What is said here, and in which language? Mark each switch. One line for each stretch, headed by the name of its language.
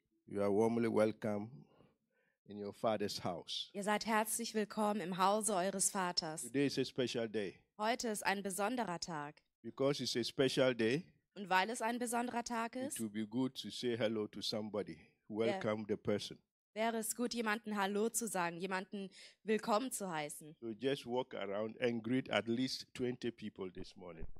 English: You are warmly welcome in your father's house.
German: Ihr seid herzlich willkommen im Hause eures Vaters.
English: Today is a special day.
German: Heute ist ein besonderer Tag.
English: Because it's a special day.
German: Und weil es ein besonderer Tag ist.
English: It would be good to say hello to somebody. Welcome the person.
German: Wäre es gut, jemanden Hallo zu sagen, jemanden willkommen zu heißen.
English: So just walk around and greet at least 20 people this morning.